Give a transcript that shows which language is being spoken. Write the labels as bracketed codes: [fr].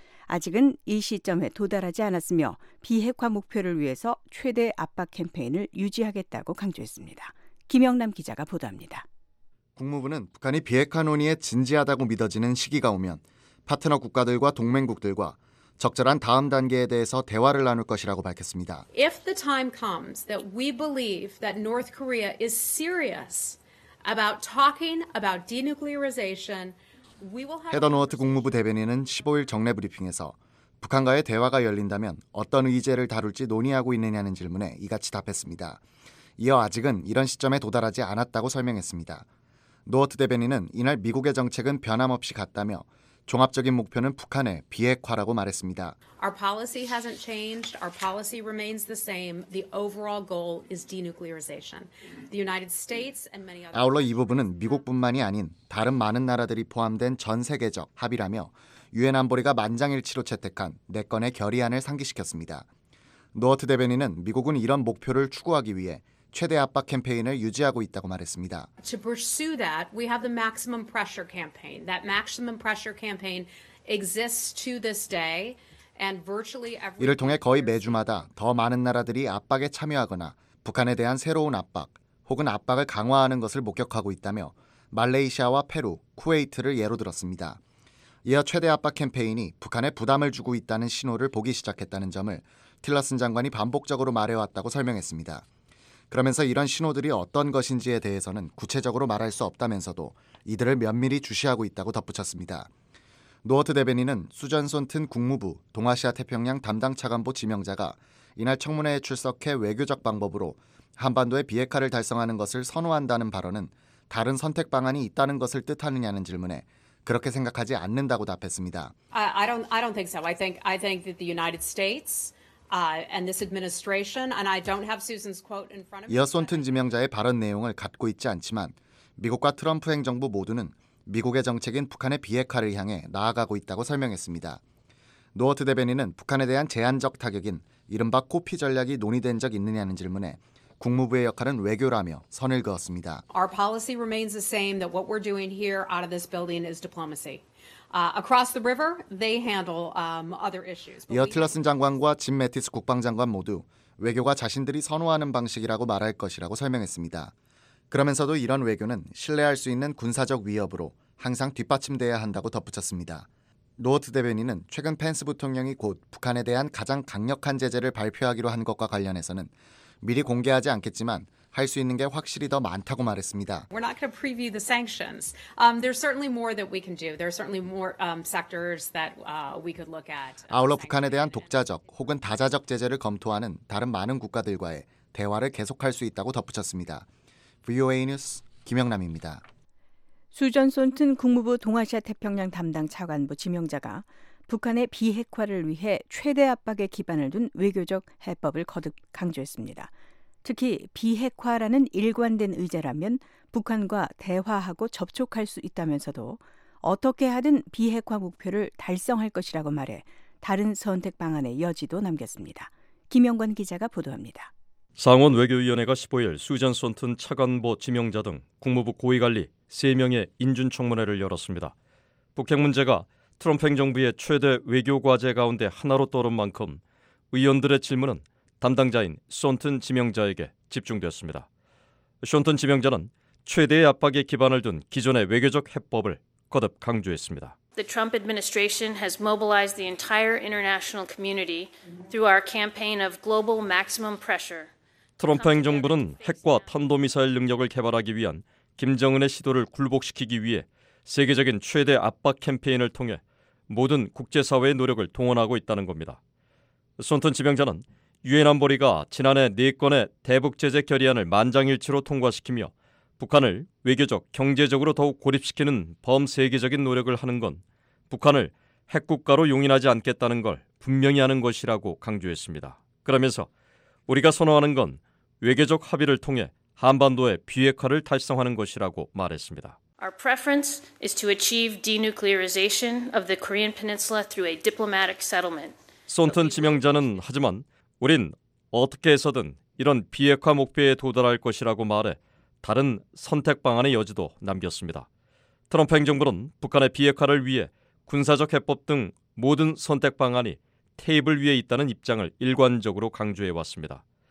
[ko] 아직은 이 시점에 도달하지 않았으며 비핵화 목표를 위해서 최대 압박 캠페인을 유지하겠다고 강조했습니다. 김영남 기자가 보도합니다. 국무부는 북한이 비핵화 논의에 진지하다고 믿어지는 시기가 오면 파트너 국가들과 동맹국들과 적절한 다음 단계에 대해서 대화를 나눌 것이라고 밝혔습니다. [en] If the time comes that we believe that North Korea is serious about talking about denuclearization, we will have [ko] 헤더 노어트 국무부 대변인은 15일 정례 브리핑에서 북한과의 대화가 열린다면 어떤 의제를 다룰지 논의하고 있느냐는 질문에 이같이 답했습니다. 이어 아직은 이런 시점에 도달하지 않았다고 설명했습니다. 노어트 대변인은 이날 미국의 정책은 변함없이 같다며 종합적인 목표는 북한의 비핵화라고 말했습니다. [en] Our policy hasn't changed. Our policy remains the same. The overall goal is denuclearization. The United States and many other [ko] 아울러 이 부분은 미국뿐만이 아닌 다른 많은 나라들이 포함된 전 세계적 합의라며 유엔 안보리가 만장일치로 채택한 네 건의 결의안을 상기시켰습니다. 노어트 대변인은 미국은 이런 목표를 추구하기 위해 최대 압박 캠페인을 유지하고 있다고 말했습니다. [en] To pursue that, we have the maximum pressure campaign. That maximum pressure campaign exists to this day, and virtually every. [ko] 이를 통해 거의 매주마다 더 많은 나라들이 압박에 참여하거나 북한에 대한 새로운 압박 혹은 압박을 강화하는 것을 목격하고 있다며 말레이시아와 페루, 쿠웨이트를 예로 들었습니다. 이어 최대 압박 캠페인이 북한에 부담을 주고 있다는 신호를 보기 시작했다는 점을 틸러슨 장관이 반복적으로 말해왔다고 설명했습니다. 그러면서 이런 신호들이 어떤 것인지에 대해서는 구체적으로 말할 수 없다면서도 이들을 면밀히 주시하고 있다고 덧붙였습니다. 노어트 대변인은 수전 손튼 국무부 동아시아 태평양 담당 차관보 지명자가 이날 청문회에 출석해 외교적 방법으로 한반도의 비핵화를 달성하는 것을 선호한다는 발언은 다른 선택 방안이 있다는 것을 뜻하느냐는 질문에 그렇게 생각하지 않는다고 답했습니다. [en] I don't think so. I think that the United States and this administration, and I don't have Susan's quote in front of me. [ko] 이어 손튼 지명자의 발언 내용을 갖고 있지 않지만 미국과 트럼프 행정부 모두는 미국의 정책인 북한의 비핵화를 향해 나아가고 있다고 설명했습니다. 노어트 대변인은 북한에 대한 제한적 타격인 이른바 코피 전략이 논의된 적 있느냐는 질문에 국무부의 역할은 외교라며 선을 그었습니다. [en] Our policy remains the same that what we're doing here out of this building is diplomacy. Across the river, they handle other issues. [ko] 이어 틸러슨 장관과 짐 매티스 국방장관 모두 외교가 자신들이 선호하는 방식이라고 말할 것이라고 설명했습니다. 그러면서도 이런 외교는 신뢰할 수 있는 군사적 위협으로 항상 뒷받침돼야 한다고 덧붙였습니다. 노어트 대변인은 최근 펜스 부통령이 곧 북한에 대한 가장 강력한 제재를 발표하기로 한 것과 관련해서는 미리 공개하지 않겠지만 할 수 있는 게 확실히 더 많다고 말했습니다. [en] We're not going to preview the sanctions. There's certainly more that we can do. There's certainly more sectors that we could look at. [ko] 아울러 북한에 대한 독자적 혹은 다자적 제재를 검토하는 다른 많은 국가들과의 대화를 계속할 수 있다고 덧붙였습니다. VOA 뉴스 김영남입니다. 수전 손튼 국무부 동아시아 태평양 담당 차관보 지명자가 북한의 비핵화를 위해 최대 압박의 기반을 둔 외교적 해법을 거듭 강조했습니다. 특히 비핵화라는 일관된 의제라면 북한과 대화하고 접촉할 수 있다면서도 어떻게 하든 비핵화 목표를 달성할 것이라고 말해 다른 선택 방안의 여지도 남겼습니다. 김영관 기자가 보도합니다. 상원 외교위원회가 15일 수전 손튼 차관보 지명자 등 국무부 고위관리 3명의 인준 청문회를 열었습니다. 북핵 문제가 트럼프 행정부의 최대 외교 과제 가운데 하나로 떠오른 만큼 의원들의 질문은 담당자인 쇼튼 지명자에게 집중되었습니다. 쇼튼 지명자는 최대의 압박에 기반을 둔 기존의 외교적 해법을 거듭 강조했습니다. [en] The Trump administration has mobilized the entire international community through our campaign of global maximum pressure. [ko] 트럼프 행정부는 핵과 탄도미사일 능력을 개발하기 위한 김정은의 시도를 굴복시키기 위해 세계적인 최대 압박 캠페인을 통해 모든 국제사회의 노력을 동원하고 있다는 겁니다. 손튼 지명자는 유엔 안보리가 지난해 4건의 대북 제재 결의안을 만장일치로 통과시키며 북한을 외교적, 경제적으로 더욱 고립시키는 범세계적인 노력을 하는 건 북한을 핵국가로 용인하지 않겠다는 걸 분명히 하는 것이라고 강조했습니다. 그러면서 우리가 선호하는 건 외교적 합의를 통해 한반도의 비핵화를 달성하는 것이라고 말했습니다. [en] Our preference is to achieve denuclearization of the Korean Peninsula through a diplomatic settlement. [ko] 손튼 지명자는 하지만 우린 어떻게 해서든 이런 비핵화 목표에 도달할 것이라고 말해 다른 선택 방안의 여지도 남겼습니다. 트럼프 행정부는 북한의 비핵화를 위해 군사적 해법 등 모든 선택 방안이 테이블 위에 있다는 입장을 일관적으로 강조해왔습니다.